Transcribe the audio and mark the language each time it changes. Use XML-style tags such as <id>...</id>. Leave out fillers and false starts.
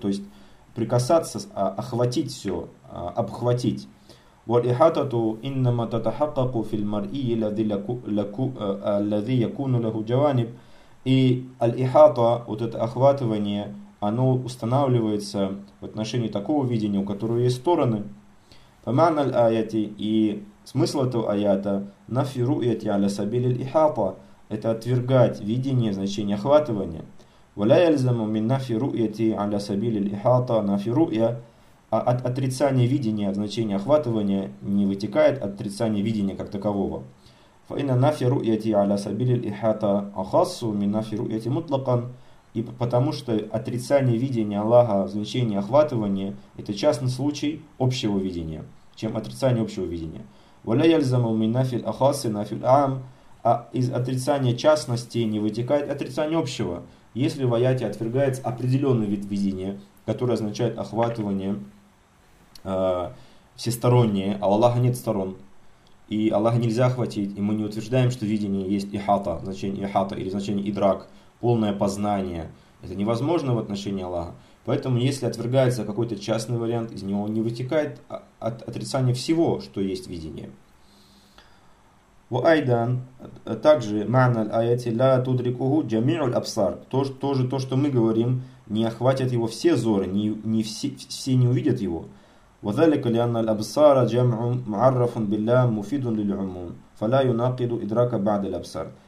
<ru>То есть прикасаться, охватить все, обхватить.</ru> <ar>وَالْإِحَاطَةُ إِنَّمَا تَتَحَقَّقُ فِي الْمَرْئِي الَّذِي يَكُونُ لَهُ جَوَانِبْ.</ar> <ru>И аль-ихата, вот это охватывание, оно устанавливается в отношении такого видения, у которого есть стороны.</ru> <ar>فَمَعْنَ الْآيَةِ.</ar> <ru>И смысл этого аята</ru> <ar>نَفِي رُؤْيَةِ عَلَى سَبِيلِ الْإِحَاطَةِ.</ar> <ru>Это отвергать видение, значение охватывания.</ru> <ar>وَلَا يَلْزَمُ مِنْ نَفِي رُؤْيَةِ عَلَى سَبِيلِ الْإِحَاطَةِ نَفِي رُؤْيَةِ.</ar> <ru>А от отрицания видения, от значения охватывания, не вытекает отрицание видения как такового.</ru> <ar>فَإِنَّ نَفْيَ رُؤْيَةِ عَلَى سَبِيلِ الْإِحَاطَةِ أَخَصُّ مِنْ نَفْيَ رُؤْيَةِ مُطْلَقًا.</ar> <ru>И потому что отрицание видения Аллаха, значение охватывания, это частный случай общего видения, чем отрицание общего видения.</ru> <ar>وَلَا يَلْزَمُ مِنْ نَفْيَ الْأَخَصِّ نَفْيَ الْعَامِ.</ar> <ru>А из отрицания частности не вытекает отрицание общего, если в аяте отвергается определенный вид видения, которое означает охватывание всестороннее, а у Аллаха нет сторон. И Аллаха нельзя охватить, и мы не утверждаем, что видение есть ихата, значение ихата или значение идрак, полное познание. Это невозможно в отношении Аллаха. Поэтому если отвергается какой-то частный вариант, из него не вытекает отрицание всего, что есть видение.</ru> <ar>وأيضاً</ar> <ru>также</ru> <ar>معنى الآية لا تدركه جميع الأبصار.</ar> <ru>Тоже то, что мы говорим, не охватят его все зоры, не все не увидят его.</ru> <ar>وذلك لأن الأبصار جمع معرف بالله مفيد للعموم فلا يناقض إدراك بعد الأبصار.</ar>